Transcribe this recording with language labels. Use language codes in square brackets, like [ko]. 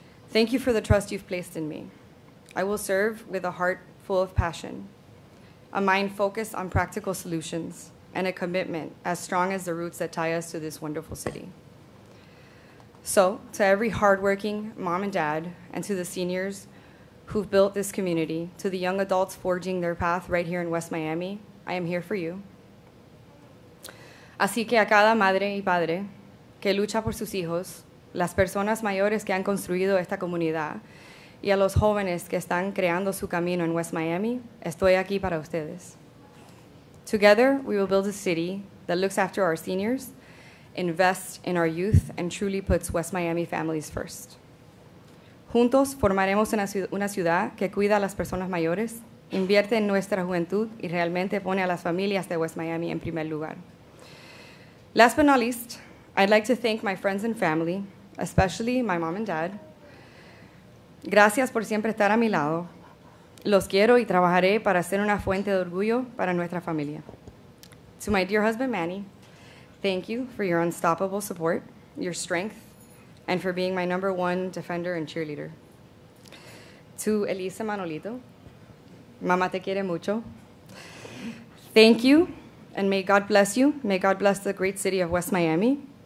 [en] Thank you for the trust you've placed in me. I will serve with a heart full of passion, a mind focused on practical solutions, and a commitment as strong as the roots that tie us to this wonderful city. So, to every hardworking mom and dad, and to the seniors who've built this community, to the young adults forging their path right here in West Miami, I am here for you. [es] Así que a cada madre y padre que lucha por sus hijos, las personas mayores que han construido esta comunidad, y a los jóvenes que están creando su camino en West Miami, estoy aquí para ustedes. [en] Together, we will build a city that looks after our seniors, invest in our youth, and truly puts West Miami families first. [es] Juntos formaremos una ciudad que cuida a las personas mayores, invierte en nuestra juventud y realmente pone a las familias de West Miami en primer lugar. [en] Last but not least, I'd like to thank my friends and family, especially my mom and dad. [es] Gracias por siempre estar a mi lado. Los quiero y trabajaré para ser una fuente de orgullo para nuestra familia. [en] To my dear husband, Manny, thank you for your unstoppable support, your strength, and for being my number one defender and cheerleader. [es] To Elisa Manolito, mama te quiere mucho. [en] Thank you, and may God bless you. May God bless the great city of West Miami.